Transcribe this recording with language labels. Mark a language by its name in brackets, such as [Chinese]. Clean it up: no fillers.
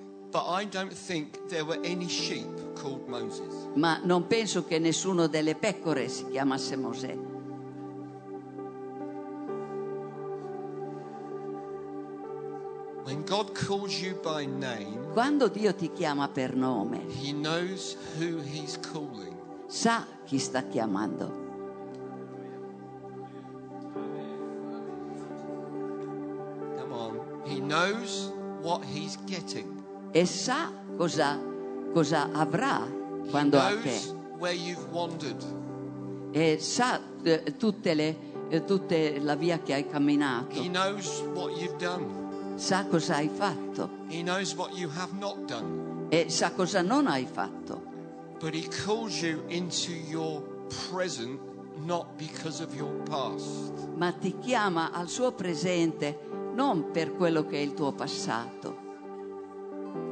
[English] But I don't think there were any sheep called Moses. [Italian] Ma non penso che nessuno delle pecore si chiamasse Mosè. [English] When God calls you by name, [Italian] quando Dio ti chiama per nome, [English] he knows who he's calling. [Italian] Sa chi sta chiamando. [English] He knows what he's getting. [Italian] E sa cosa avrà quando ha te. [English] Where you've wandered. [Italian] E sa tutte la via che hai camminato. [English] He knows what you've done. [Italian] Sa cosa hai fatto. [English] He knows what you have not done. [Italian] E sa cosa non hai fatto. [English] But he calls you into your present, not because of your past. [Italian] Ma ti chiama al suo presente. Non per quello che è il tuo passato.